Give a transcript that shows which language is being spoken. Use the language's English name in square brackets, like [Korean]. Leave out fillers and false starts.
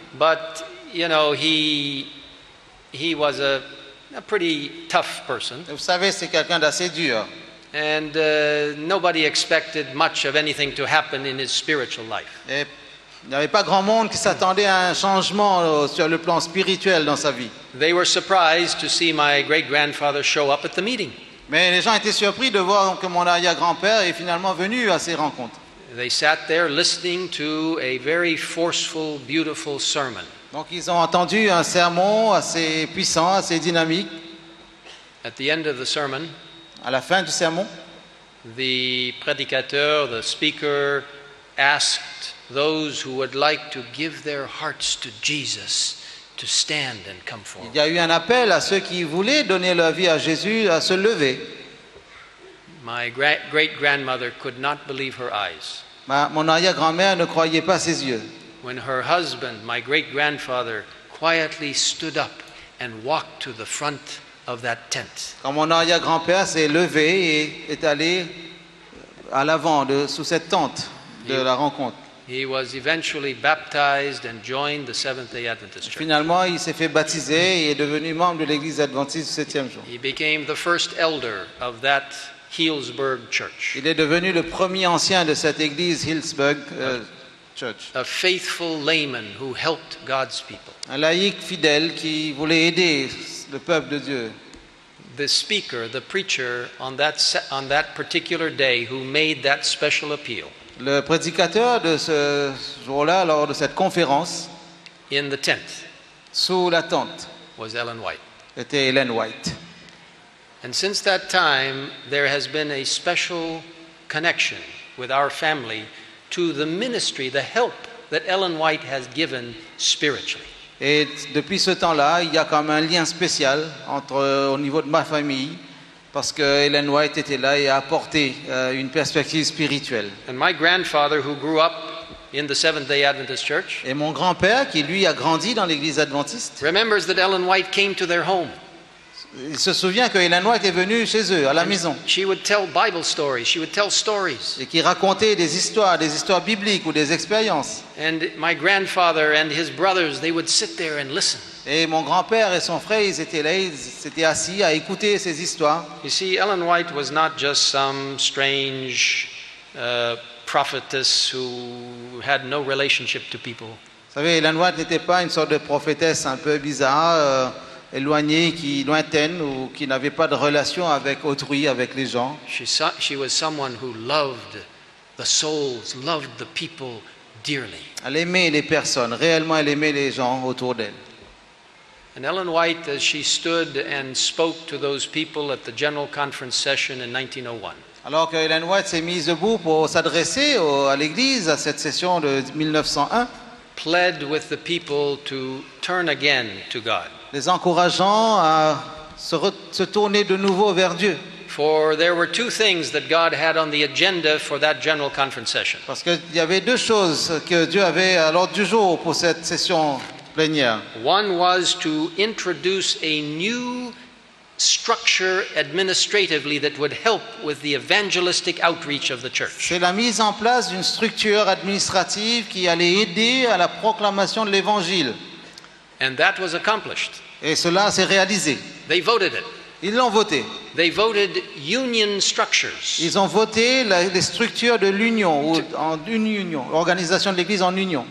[English] But, you know, he was a pretty tough person. [French] Vous savez, c'est quelqu'un d'assez dur. [English] And nobody expected much of anything to happen in his spiritual life. [French] Et il n'y avait pas grand monde qui s'attendait à un changement sur le plan spirituel dans sa vie. [English] They were surprised to see my great-grandfather show up at the meeting. [French] Mais les gens étaient surpris de voir que mon arrière-grand-père est finalement venu à ces rencontres. [English] They sat there listening to a very forceful, beautiful sermon. [French] Donc ils ont entendu un sermon assez puissant, assez dynamique. [English] At the end of the sermon, [French] à la fin du sermon, [English] the prédicateur, the speaker, asked those who would like to give their hearts to Jesus to stand and come forward. [French] Il y a eu un appel à ceux qui voulaient donner leur vie à Jésus à se lever. [English] My great-grandmother could not believe her eyes. [French] Mon arrière-grand-mère ne croyait pas ses yeux. [English] When her husband, my great-grandfather, quietly stood up and walked to the front of that tent. [French] Quand mon arrière-grand-père s'est levé et est allé à l'avant de sous cette tente de la rencontre. [English] He was eventually baptized and joined the Seventh-day Adventist Church. [French] Finalement, il s'est fait baptiser et est devenu membre de l'Église adventiste du septième jour. [English] He became the first elder of that Healdsburg Church. [French] Il est devenu le premier ancien de cette église Healdsburg Church. [English] A faithful layman who helped God's people. [French] Un laïc fidèle qui voulait aider le peuple de Dieu. [English] The speaker, the preacher on that particular day who made that special appeal. [French] Le prédicateur de ce jour-là lors de cette conférence [English] in the tent [French] sous la tente [English] was Ellen White. [French] Était Ellen White. [English] And since that time there has been a special connection with our family to the ministry, the help that Ellen White has given spiritually. [French] Et depuis ce temps-là, il y a comme un lien spécial entre au niveau de ma famille parce que Ellen White était là et a apporté une perspective spirituelle. [English] And my grandfather who grew up in the Seventh-day Adventist Church. [French] Et mon grand-père qui lui a grandi dans l'église adventiste. [English] Remembers that Ellen White came to their home. [French] Il se souvient que Ellen White est venue chez eux, à la maison. [English] She would tell Bible stories. She would tell stories. [French] Et qui racontait des histoires bibliques ou des expériences. [English] And my grandfather and his brothers, they would sit there and listen. [French] Et mon grand-père et son frère, ils étaient là, ils s'étaient assis à écouter ces histoires. [English] You see, Ellen White was not just some strange prophetess who had no relationship to people. [French] Vous savez, Ellen White n'était pas une sorte de prophétesse un peu bizarre. Éloignée, qui lointaine ou qui n'avait pas de relation avec autrui, avec les gens. [English] She was someone who loved the souls, loved the people dearly. [French] Elle aimait les personnes, réellement elle aimait les gens autour d'elle. [English] And Ellen White, as she stood and spoke to those people at the General Conference session in 1901. [French] Alors que Ellen White s'est mise debout pour s'adresser à l'Église à cette session de 1901. [English] Pled with the people to turn again to God. [French] Les encourageant à se tourner de nouveau vers Dieu. [English] For there were two things that God had on the agenda for that General Conference session. [French] Parce qu'il y avait deux choses que Dieu avait à l'ordre du jour pour cette session plénière. [English] One was to introduce a new structure administratively that would help with the evangelistic outreach of the church. [French] C'est la mise en place d'une structure administrative qui allait aider à la proclamation de l'évangile. [English] And that was accomplished. [French] Et cela s'est réalisé. [English] They voted it. [French] Ils l'ont voté. [English] They voted union structures. [French] Ils ont voté les structures de l'union ou en une union, l'organisation de l'église en union.